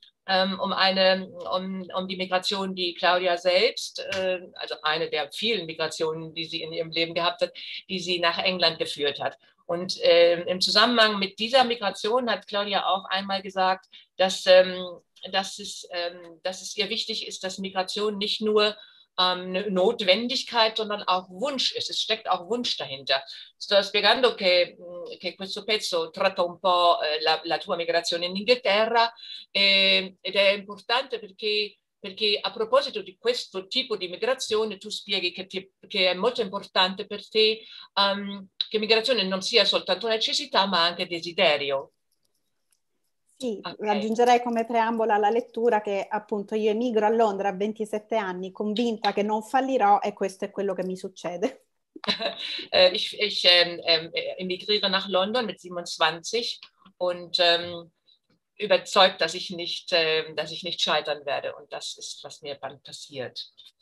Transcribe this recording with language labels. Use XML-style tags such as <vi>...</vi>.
<de>Um die Migration, die Claudia selbst, also eine der vielen Migrationen, die sie in ihrem Leben gehabt hat, die sie nach England geführt hat. Und im Zusammenhang mit dieser Migration hat Claudia auch einmal gesagt, dass es ihr wichtig ist, dass Migration nicht nur eine Notwendigkeit, sondern auch Wunsch ist. Es steckt auch Wunsch dahinter.</de> <it>Sto spiegando che questo pezzo tratta un po' la tua migrazione in Inghilterra ed è importante perché a proposito di questo tipo di migrazione tu spieghi che è molto importante per te che migrazione non sia soltanto necessità, ma anche desiderio. Sì, Ok. aggiungerei come preambola alla lettura che appunto io emigro a Londra a 27 anni, convinta che non fallirò e questo è quello che mi succede.</it> <de>Ich emigriere nach London mit 27 und überzeugt, dass ich nicht scheitern werde. Und das ist, was mir dann passiert.</de>